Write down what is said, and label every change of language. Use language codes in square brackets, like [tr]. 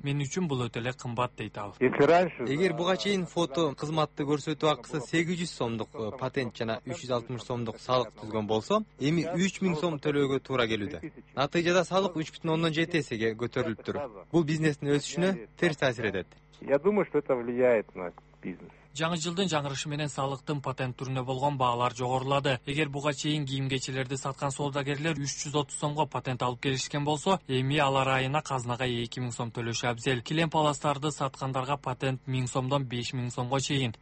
[ky] Мен үчүн бул өтө эле кымбат, дейт ал. Эгер буга чейин фото кызматты көрсөтүү акысы 800 сомдук патент жана 360 сомдук салык түзгөн болсо, эми 3000 сом төлөөгө туура келүүдө. Натыйжада салык 3.7 эсеге көтөрүлүптүр. Бул бизнестин өсүшүнө терс таасир этет. [ru] Я думаю, что это влияет на бизнес. [ky] Жаңы жылдын жаңырышы менен салыктын патент түрүнө болгон баалар жогорулады. Эгер буга чейин кийим кечелерди саткан соодагерлер 330 сомго патент алып келишкен болсо, эми алар айына казынага 2000 сом төлөшү абзел. Килем паластарды саткандарга патент 1000 сомдон 5000 сомго чейин.